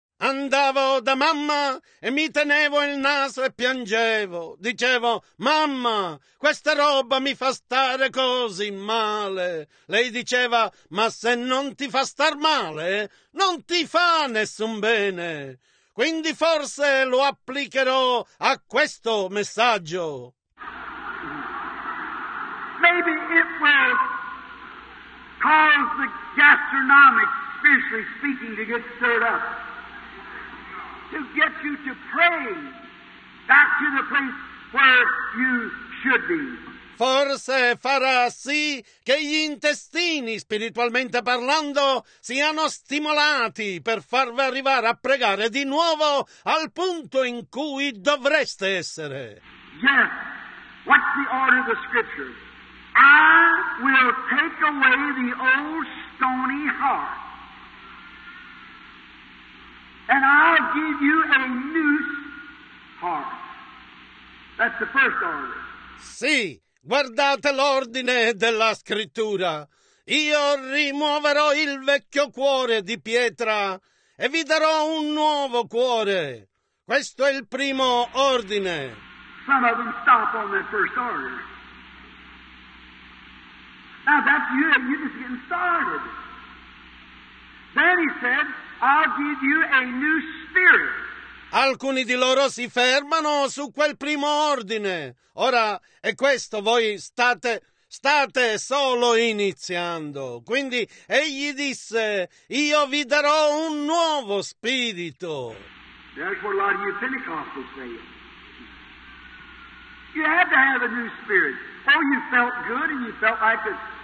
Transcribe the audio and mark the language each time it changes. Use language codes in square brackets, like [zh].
[it] Andavo da mamma e mi tenevo il naso e piangevo. Dicevo, mamma, questa roba mi fa stare così male. Lei diceva, ma se non ti fa star male, non ti fa nessun bene. Quindi forse lo applicherò a questo messaggio. [en] Maybe it will cause the gastronomic, spiritually speaking, to get stirred up. To get you to pray back to the place where you should be. [it] Forse farà sì che gli intestini, spiritualmente parlando, siano stimolati per farvi arrivare a pregare di nuovo al punto in cui dovreste essere. [en] Yes, what's the order of the scripture? I will take away the old stony heart. And I'll give you a new heart. That's the first order. [it] Sì, guardate l'ordine della scrittura. Io rimuoverò il vecchio cuore di pietra e vi darò un nuovo cuore. Questo è il primo ordine. [en] Some of them stop on that first order. Now that's you, and you're just getting started. Then he said, I'll give you a new spirit. [it] Alcuni di loro si fermano su quel primo ordine. Ora, è questo, voi state solo iniziando. Quindi, egli disse, io vi darò un nuovo spirito. [en] That's what a lot of you Pentecostals say. You had to have a new spirit. Oh, you felt good and you felt like this.